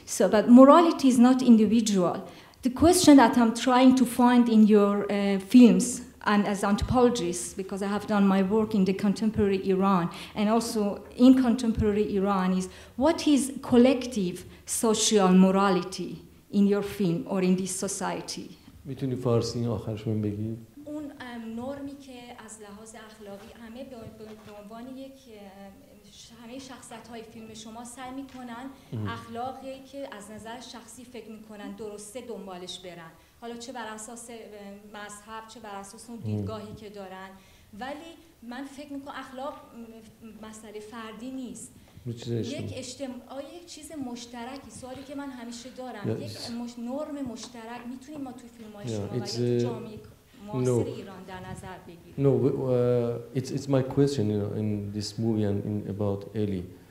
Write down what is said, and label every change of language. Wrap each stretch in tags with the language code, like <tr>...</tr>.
<en>So, but morality is not individual. The question that I'm trying to find in your films, and as anthropologist, because I have done my work in the contemporary Iran, and also in contemporary Iran, is what is collective social morality in your film or in this society?</en> <fa>میتونی فارسی آخرش من بگی؟ اون نرمی که از لحاظ اخلاقی همه به عنوان یک همه شخصیت‌های فیلم شما سعی می‌کنن اخلاقی که از نظر شخصی فکر می‌کنن درسته دنبالش برن. حالا چه بر اساس مذهب چه بر اساس اون دیدگاهی که دارن، ولی من فکر می‌کنم اخلاق مسئله فردی نیست. یک اجتماع یک چیز مشترکی، سوالی که من همیشه دارم، یک نرم مشترک میتونیم ما توی فیلم‌های شما و توی جامعه معاصر ایران در نظر بگیریم؟</fa> <en>No, it's my question, you know, in this movie and in about Ellie.</en>